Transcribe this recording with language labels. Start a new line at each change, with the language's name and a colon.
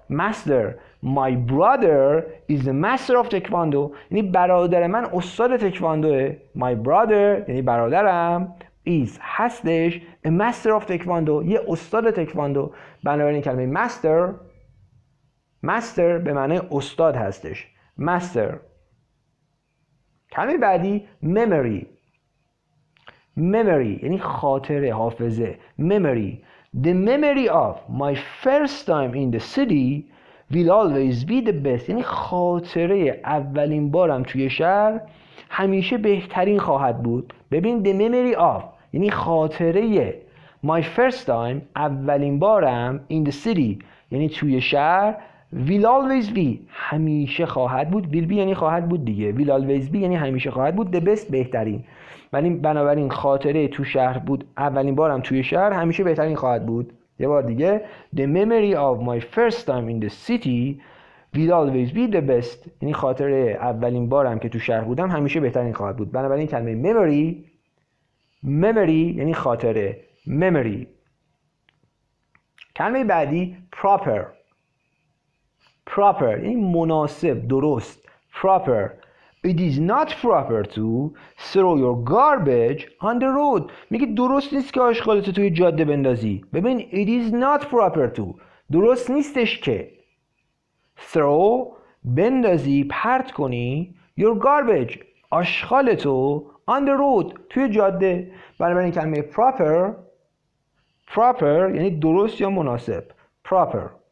English: Master, my brother is the master of taekwondo.
Persian: یعنی برادر من استاد تکواندوه.
English: My brother
Persian: یعنی برادرم
English: is
Persian: هستش
English: a master of taekwondo.
Persian: یه استاد تکواندو. بنابراین کلمه master. Master به معنی استاد هستش. Master. کلمه بعدی memory. Memory یعنی خاطره، حافظه. Memory.
English: The memory of my first time in the city will always be the best.
Persian: یعنی خاطره اولین بارم توی شهر همیشه بهترین خواهد بود.
English: ببین the memory of
Persian: یعنی خاطره
English: my first time
Persian: اولین بارم
English: in the city
Persian: یعنی توی شهر
English: will always be
Persian: همیشه خواهد بود.
English: will be
Persian: یعنی خواهد بود دیگه.
English: will always be
Persian: یعنی همیشه خواهد بود
English: the best،
Persian: بهترین. ولی بنابراین خاطره تو شهر بود اولین بارم توی شهر همیشه بهترین خواهد بود. یه بار دیگه
English: the memory of my first time in the city will always be the best.
Persian: یعنی خاطره اولین بارم که تو شهر بودم همیشه بهترین خواهد بود. بنابراین کلمه memory. memory یعنی خاطره. memory. کلمه بعدی proper. proper یعنی مناسب، درست. proper.
English: It is not proper to throw your garbage on the road.
Persian: میگه درست نیست که آشغالتو توی جاده بندازی.
English: ببین it is not proper to.
Persian: درست نیستش که
English: throw
Persian: بندازی، پرت کنی
English: your garbage
Persian: آشغالتو
English: on the road
Persian: توی جاده. بنابراین کلمه proper. proper یعنی درست یا مناسب. proper.